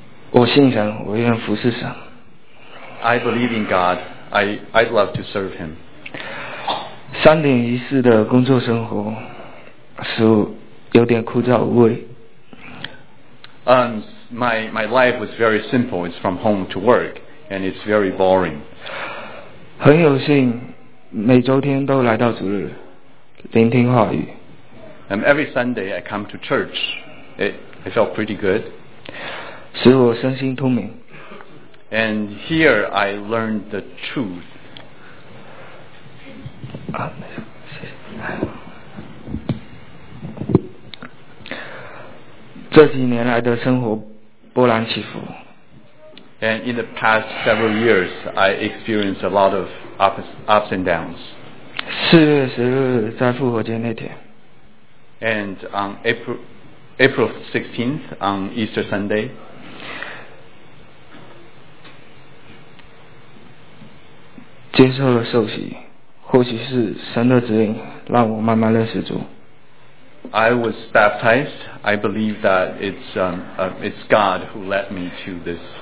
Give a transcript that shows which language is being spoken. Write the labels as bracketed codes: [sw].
[zh] 我信神，我愿服侍神。 [en] I believe in God. I'd love to serve him. [zh] 三点一四的工作生活是有点枯燥无味。 [en] My life was very simple. It's from home to work, and it's very boring. [zh] 很有幸每周天都来到主日聆听话语。 [en] Every Sunday I come to church. I felt pretty good. [zh] 使我身心通明。 [en] And here I learned the truth. [zh] 啊，没事，谢谢。这几年来的生活波澜起伏。 [en] And in the past several years, I experienced a lot of ups and downs. [zh] 四月十日在复活节那天。 [en] And on April 16th, on Easter Sunday. [zh] 接受了受洗，或许是神的指引，让我慢慢认识主。 [en] I was baptized. I believe that it's God who led me to this.